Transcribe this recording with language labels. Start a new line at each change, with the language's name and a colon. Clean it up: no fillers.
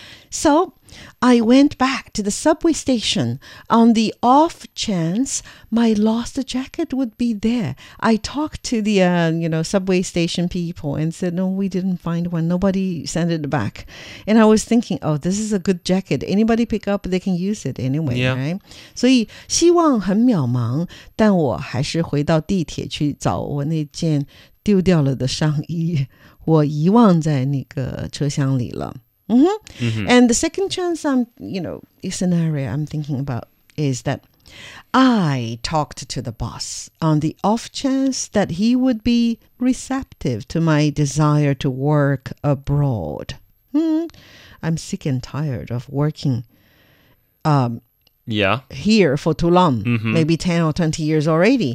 English: So I went back to the subway station on the off chance my lost jacket would be there. I talked to the, subway station people and said, no, we didn't find one. Nobody sent it back. And I was thinking, oh, this is a good jacket. Anybody pick up, they can use it anyway,、 yeah. right?
Chinese: 所以希望很渺茫，但我还是回到地铁去找我那件丢掉了的上衣。我遗忘在那个车厢里了。 Mm-hmm. Mm-hmm.
English: And the second chance, scenario I'm thinking about is that I talked to the boss on the off chance that he would be receptive to my desire to work abroad. I'm sick and tired of working here for too long, maybe 10 or 20 years already.